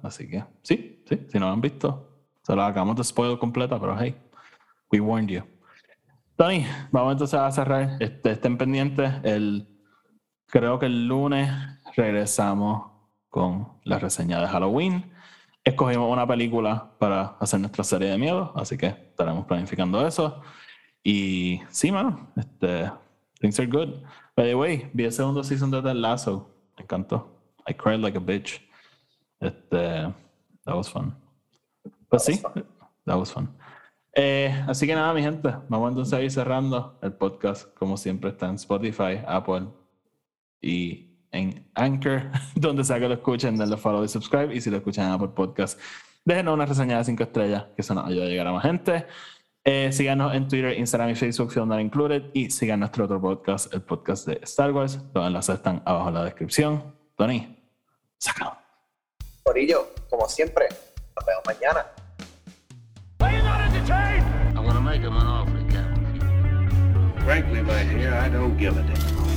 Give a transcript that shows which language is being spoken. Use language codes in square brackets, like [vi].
[es] Así que, sí, sí, si no lo han visto, se lo acabamos de spoiler completa, pero [en] hey, we warned you. [es] Tony, vamos entonces a cerrar. Estén pendientes. Creo que el lunes regresamos con la reseña de Halloween. Escogimos una película para hacer nuestra serie de miedo, así que estaremos planificando eso. Y sí, mano, [en] things are good. By the way, [es] vi el segundo [en] season de Ted Lasso. [es] Me encantó. [en] I cried like a bitch. That was fun. [es] Pues sí, [en] that was fun. [es] Así que nada, mi gente, vamos entonces a ir cerrando. El podcast, como siempre, está en Spotify, Apple y en Anchor, donde sea que lo escuchen, denle follow y subscribe. Y si lo escuchan en Apple Podcast, déjenos una reseña de 5 estrellas, que eso nos ayuda a llegar a más gente. Síganos en Twitter, Instagram y Facebook, Film Not Included, y sigan nuestro otro podcast, el podcast de Star Wars. Los enlaces están abajo en la descripción. Tony, sácalo. Corillo, como siempre, nos vemos mañana. [en] I want to make him an offer he can't refuse. Frankly, my dear, I don't give a damn.